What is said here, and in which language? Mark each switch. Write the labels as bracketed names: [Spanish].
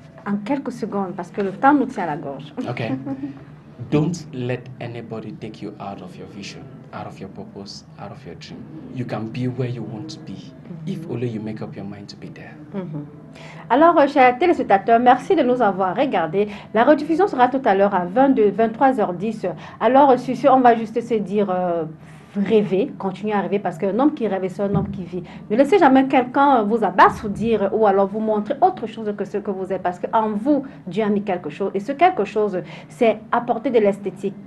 [French] En quelques secondes, parce que le temps nous tient à la gorge. OK. [English] Don't let anybody take you out of your vision, out of your purpose, out of your dream. You can be where you want to be, mm-hmm. if only you make up your mind to be there. Mm-hmm. [French] Alors, chers téléspectateurs, merci de nous avoir regardés. La rediffusion sera tout à l'heure à 23h10. Alors, sur, on va juste se dire, rêver, continuer à rêver, parce qu'un homme qui rêve, c'est un homme qui vit. Ne laissez jamais quelqu'un vous abasourdir ou alors vous montrer autre chose que ce que vous êtes, parce qu'en vous, Dieu a mis quelque chose. Et ce quelque chose, c'est apporter de l'esthétique.